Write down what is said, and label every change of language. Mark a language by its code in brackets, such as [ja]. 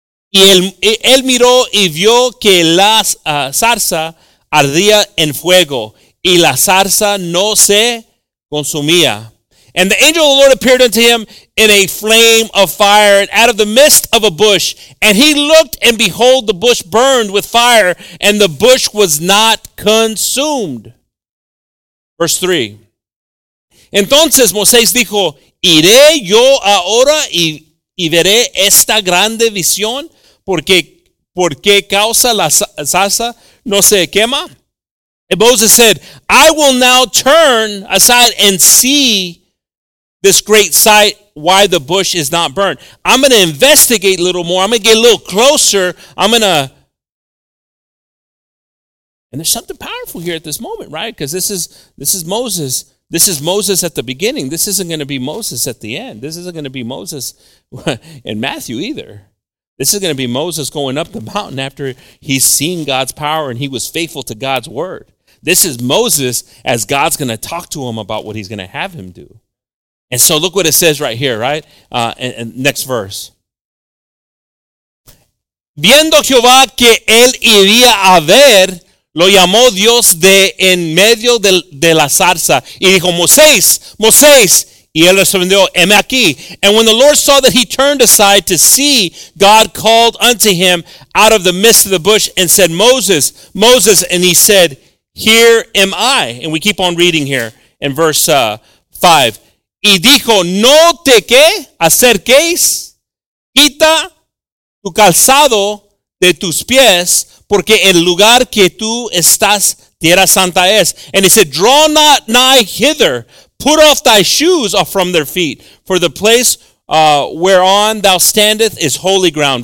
[es] Y él miró y vio que la zarza ardía en fuego, y la zarza no se consumía. [en] And the angel of the Lord appeared unto him in a flame of fire and out of the midst of a bush. And he looked, and behold, the bush burned with fire, and the bush was not consumed. Verse 3. [es] Entonces Moisés dijo, ¿iré yo ahora y veré esta grande visión? ¿Por qué causa la zarza no se quema? [en] And Moses said, I will now turn aside and see this great sight, why the bush is not burned. I'm going to investigate a little more. I'm going to get a little closer. And there's something powerful here at this moment, right? Because this is Moses. This is Moses at the beginning. This isn't going to be Moses at the end. This isn't going to be Moses in Matthew either. This is going to be Moses going up the mountain after he's seen God's power and he was faithful to God's word. This is Moses as God's going to talk to him about what he's going to have him do. And so look what it says right here, right? And next verse. [es] Viendo Jehová que él iría a ver, lo llamó Dios de en medio de la zarza. Y dijo, Moisés, Moisés. Y él respondió, heme aquí. [en] And when the Lord saw that he turned aside to see, God called unto him out of the midst of the bush and said, Moses, Moses. And he said, here am I. And we keep on reading here in verse 5. [es] Y dijo, no te que acerques, quita tu calzado de tus pies, porque el lugar que tú estás, tierra santa es. [en] And he said, draw not nigh hither, put off thy shoes from their feet, for the place whereon thou standest is holy ground.